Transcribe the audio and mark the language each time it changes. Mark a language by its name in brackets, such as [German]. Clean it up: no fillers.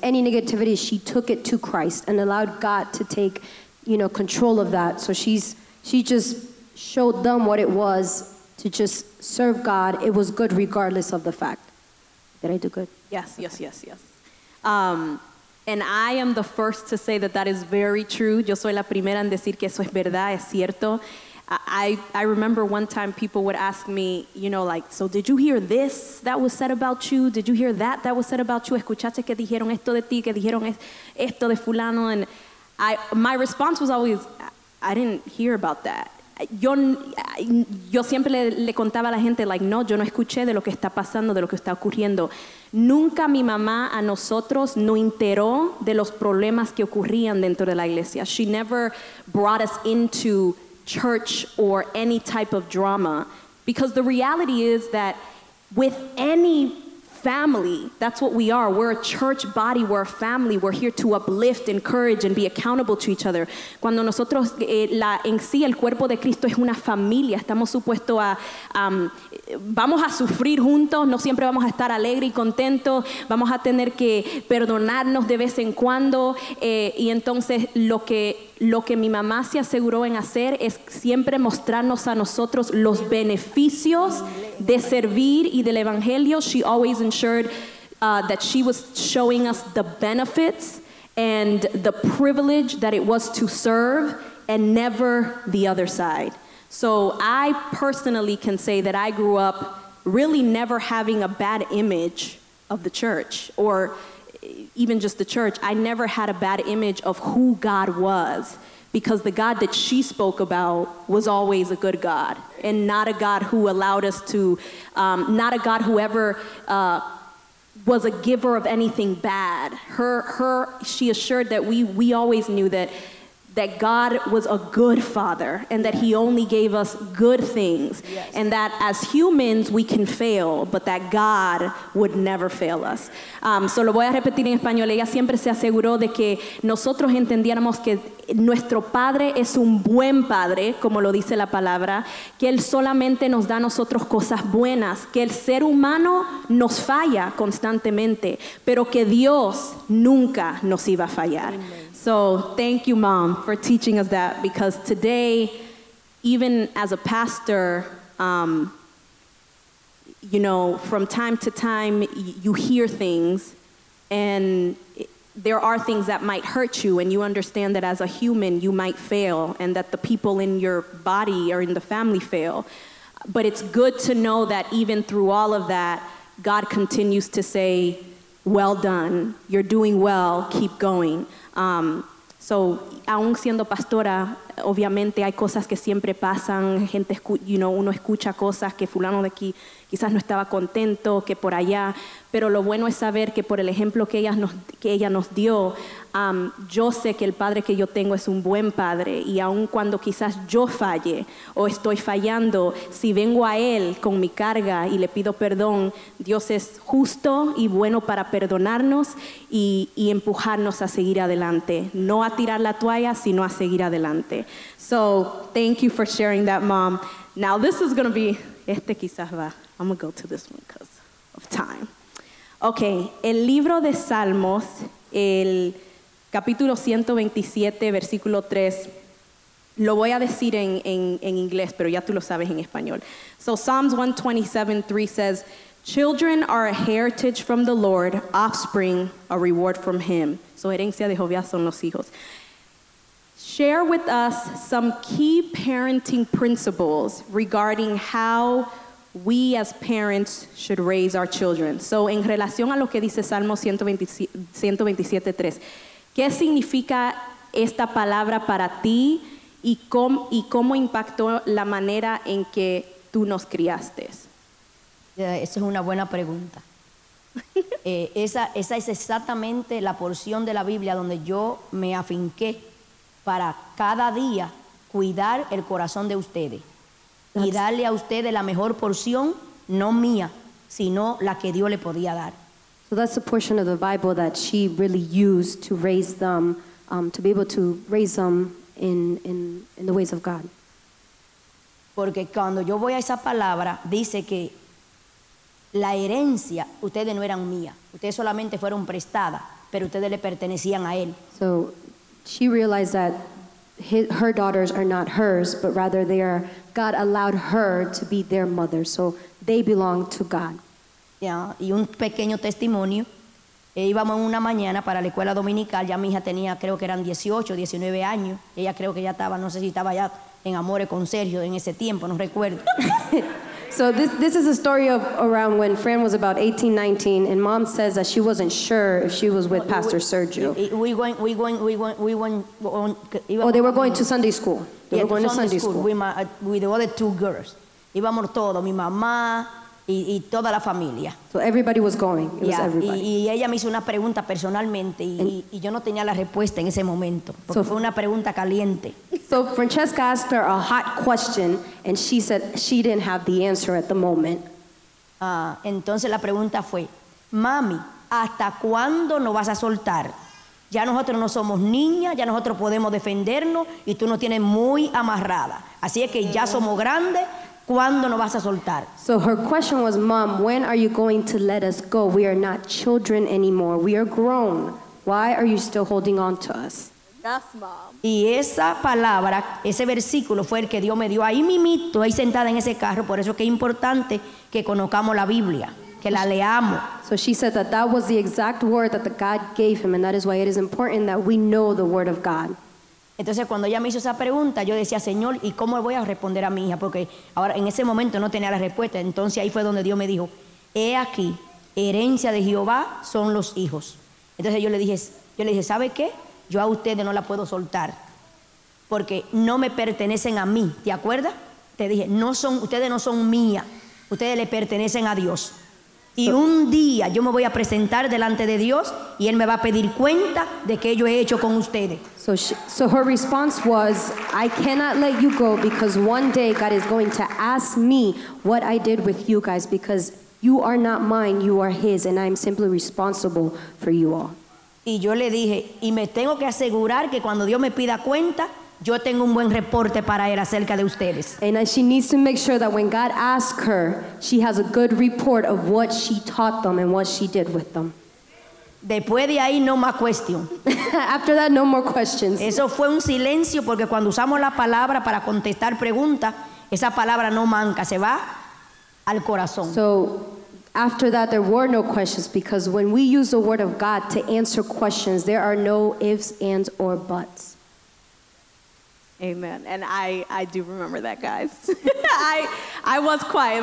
[English] Any negativity, she took it to Christ and allowed God to take, you know, control of that. So she just showed them what it was to just serve God. It was good regardless of the fact. Did I do good? Yes, okay. Yes. And I am the first to say that that is very true. [Spanish] Yo soy la primera en decir que eso es verdad, es cierto. [English] I remember one time people would ask me, you know, like, so did you hear this that was said about you? Did you hear that was said about you? [Spanish] ¿Escuchaste que dijeron esto de ti? ¿Que dijeron esto de fulano? [English] And my response was always, I didn't hear about that. [Spanish] Yo siempre le contaba a la gente, like, no, yo no escuché de lo que está pasando, de lo que está ocurriendo. Nunca mi mamá a nosotros no enteró de los problemas que ocurrían dentro de la iglesia. [English] She never brought us into church or any type of drama, because the reality is that with any family, that's what we are. We're a church body, we're a family, we're here to uplift, encourage, and be accountable to each other. [Spanish] Cuando nosotros, la en sí, el cuerpo de Cristo es una familia, estamos supuestos a, vamos a sufrir juntos, no siempre vamos a estar alegre y contento, vamos a tener que perdonarnos de vez en cuando, y entonces lo que mi mamá se aseguró en hacer es siempre mostrarnos a nosotros los beneficios de servir y del evangelio. [English] She always ensured that she was showing us the benefits and the privilege that it was to serve, and never the other side. So I personally can say that I grew up really never having a bad image of the church, or even just the church. I never had a bad image of who God was, because the God that she spoke about was always a good God, and not a God who allowed us to, not a God who ever was a giver of anything bad. She assured that we always knew that God was a good father, and that he only gave us good things. Yes. And that as humans, we can fail, but that God would never fail us. [Spanish] So lo voy a repetir en español. Ella siempre se aseguró de que nosotros entendiéramos que nuestro padre es un buen padre, como lo dice la palabra, que él solamente nos da a nosotros cosas buenas, que el ser humano nos falla constantemente, pero que Dios nunca nos iba a fallar. Amen. [English] So thank you, Mom, for teaching us that, because today, even as a pastor, you know, from time to time, you hear things, and there are things that might hurt you, and you understand that as a human, you might fail, and that the people in your body or in the family fail. But it's good to know that even through all of that, God continues to say, well done, you're doing well, keep going. [Spanish] So, aun siendo pastora, obviamente hay cosas que siempre pasan. Gente, [English] you know, [Spanish] uno escucha cosas que fulano de aquí quizás no estaba contento, que por allá. Pero lo bueno es saber que por el ejemplo que ella nos dio, yo sé que el padre que yo tengo es un buen padre. Y aun cuando quizás yo falle o estoy fallando, si vengo a él con mi carga y le pido perdón, Dios es justo y bueno para perdonarnos y empujarnos a seguir adelante. No a tirar la toalla, sino a seguir adelante. [English] So, thank you for sharing that, Mom. Now, this is going to be, [Spanish] este quizás va, [English] I'm going to go to this one because of time. [Spanish] Okay, el libro de Salmos, el capítulo 127, versículo 3, lo voy a decir en inglés, pero ya tú lo sabes en español. [English] So, Psalms 127:3 says, children are a heritage from the Lord, offspring, a reward from him. [Spanish] So, herencia de Jehová son los hijos. [English] Share with us some key parenting principles regarding how we as parents should raise our children. [Spanish] So, en relación a lo que dice Salmo 127:3, ¿qué significa esta palabra para ti y cómo impactó la manera en que tú nos criaste? Esa es una buena pregunta. esa es exactamente la porción de la Biblia donde yo me afinqué para cada día cuidar el corazón de ustedes y darle a ustedes la mejor porción, no mía, sino la que Dios le podía dar. [English] So that's the portion of the Bible that she really used to raise them, to be able to raise them in the ways of God. [Spanish] Porque cuando yo voy a esa palabra, dice que la herencia, ustedes no eran mía, ustedes solamente fueron prestadas, pero ustedes le pertenecían a él. [English] So, she realized that her daughters are not hers, but rather they are, God allowed her to be their mother. So they belong to God. [Spanish] Yeah. Y un pequeño testimonio. Íbamos una mañana para la escuela dominical. Ya mi hija tenía, creo que eran 18, 19 años. Ella creo que ya estaba, no sé si estaba ya en amores con Sergio en ese tiempo, no recuerdo. [English] So this is a story of around when Fran was about 18, 19, and Mom says that she wasn't sure if she was with Pastor Sergio. We went. Oh, they were going to Sunday school. They were going to Sunday school. With the other two girls. [Spanish] Íbamos todos, mi mamá y toda la familia. [English] So everybody was going. It was everybody. [Spanish] Y ella me hizo una pregunta personalmente, y yo no tenía la respuesta en ese momento, porque fue una pregunta caliente. [English] So Francesca asked her a hot question, and she said she didn't have the answer at the moment. [Spanish] Entonces la pregunta fue, mami, ¿hasta cuándo nos vas a soltar? Ya nosotros no somos niñas, ya nosotros podemos defendernos, y tú nos tienes muy amarrada. Así es que ya somos grandes, ¿cuándo nos vas a soltar? [English] So her question was, mom, when are you going to let us go? We are not children anymore. We are grown. Why are you still holding on to us? [Spanish] Y esa palabra, ese versículo fue el que Dios me dio ahí mimito, ahí sentada en ese carro. Por eso que es importante que conozcamos la Biblia, que la leamos. [English] So she said that that was the exact word that the God gave him, and that is why it is important that we know the word of God. [Spanish] Entonces cuando ella me hizo esa pregunta, yo decía, Señor, ¿y cómo voy a responder a mi hija? Porque ahora en ese momento no tenía la respuesta. Entonces ahí fue donde Dios me dijo, he aquí, herencia de Jehová son los hijos. Entonces yo le dije, ¿sabe qué? Yo a ustedes no la puedo soltar porque no me pertenecen a mí. ¿Te acuerdas? Te dije, no son, ustedes no son mía. Ustedes le pertenecen a Dios. Y un día yo me voy a presentar delante de Dios y Él me va a pedir cuenta de qué yo he hecho con ustedes. [English] So her response was, I cannot let you go because one day God is going to ask me what I did with you guys because you are not mine, you are His, and I'm simply responsible for you all. [Spanish] Y yo le dije, y me tengo que asegurar que cuando Dios me pida cuenta, yo tengo un buen reporte para él acerca de ustedes. [English] And she needs to make sure that when God asks her, she has a good report of what she taught them and what she did with them. [Spanish] Después de ahí, no más cuestión. [English] After that, no more questions. [Spanish] Eso fue un silencio porque cuando usamos la palabra para contestar preguntas, esa palabra no manca, se va al corazón. [English] So, after that, there were no questions because when we use the word of God to answer questions, there are no ifs, ands, or buts. Amen. And I do remember that, guys. I was quiet.